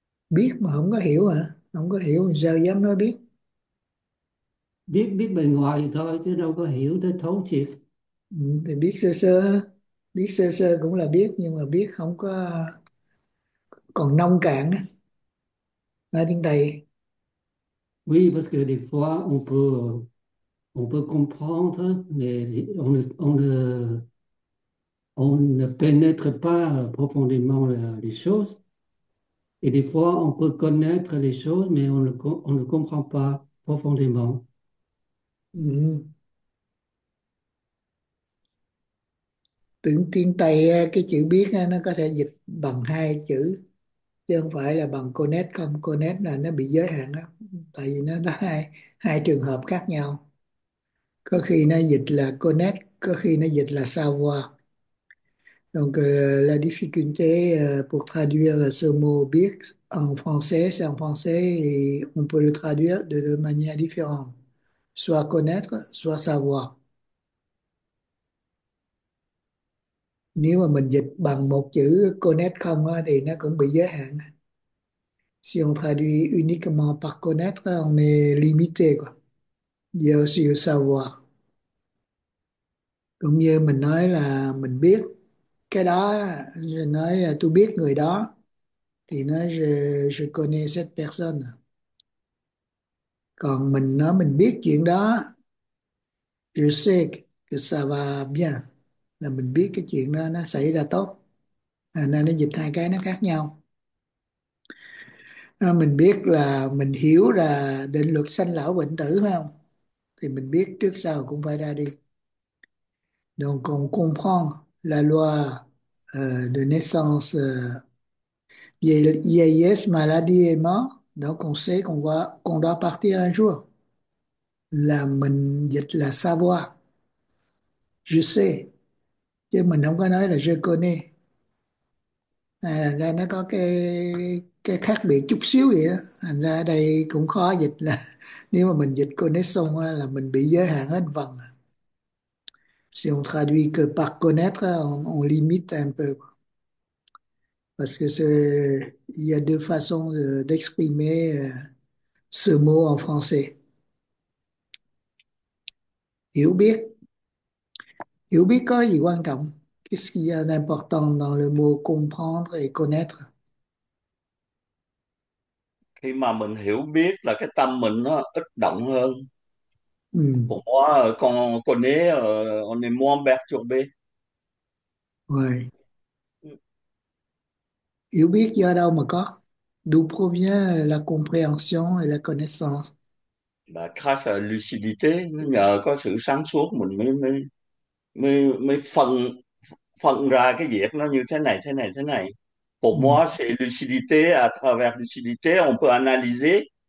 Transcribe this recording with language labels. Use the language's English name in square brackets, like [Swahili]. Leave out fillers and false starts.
[Vietnamese] Biết mà không có hiểu hả? Không có hiểu thì sao dám nói biết? Biết biết bề ngoài thôi chứ đâu có hiểu tới thấu triệt. Ừ, thì biết sơ sơ cũng là biết, nhưng mà biết không có còn nông cạn á. Nói tiếng Tây. [French] Oui, parce que des fois, on peut comprendre, mais on ne pénètre pas profondément les choses. Et des fois, on peut connaître les choses, mais on ne comprend pas profondément. [Vietnamese] Tưởng tiếng Tây cái chữ biết nó có thể dịch bằng hai chữ chứ không phải là bằng connect không. Connect là nó bị giới hạn đó, tại vì nó là hai hai trường hợp khác nhau. Có khi nó dịch là connect, có khi nó dịch là savoir. [French] La difficulté pour traduire ce mot biết en français, c'est en français, et on peut le traduire de deux manières différentes. Soit connaître, soit savoir. [Vietnamese] Nếu mà mình dịch bằng một chữ connaître không á, thì nó cũng bị giới hạn. [French] Si on traduit uniquement par connaître, on est limité quoi. Giờ si savoir. [Vietnamese] Cũng như mình nói là mình biết cái đó, nói tôi biết người đó, thì nói [French] je connais cette personne. [Vietnamese] Còn mình nói mình biết chuyện đó, [French] je sais que ça va bien, [Vietnamese] là mình biết cái chuyện đó nó xảy ra tốt. À, nên nó dịch hai cái nó khác nhau. À, mình biết là mình hiểu là định luật sanh lão bệnh tử phải không, thì mình biết trước sau cũng phải ra đi. [French] Donc on comprend la loi de naissance, vieillesse, maladie et mort. Donc on sait qu'on doit partir un jour. [Vietnamese] Là mình dịch là savoir. [French] Je sais. [Vietnamese] Chứ mình không có nói là [French] je connais. [Vietnamese] Thành ra nó có cái khác biệt chút xíu vậy đó. Thành ra đây cũng khó dịch là nếu mà mình dịch connaissons là mình bị giới hạn hết vần. [French] Si on traduit que par connaître, on limite un peu. Parce que il y a deux façons d'exprimer ce mot en français. [Vietnamese] Hiểu biết. Hiểu biết có gì quan trọng? [French] Qu'est-ce qu'il y a d'important dans le mot comprendre et connaître? [Vietnamese] Khi mà mình hiểu biết là cái tâm mình nó ít động hơn. Ừ. [French] Pour moi, quand on est moins [Vietnamese] Rồi. Hiểu biết do đâu mà có? [French] D'où provient la compréhension et la connaissance? bah, grâce à lucidité, [Vietnamese] nhờ có sự sáng suốt mình mới mới mới, mới phân phân ra cái việc nó như thế này, thế này, thế này. [French] Pour moi, c'est lucidité. À travers lucidité, on peut analyser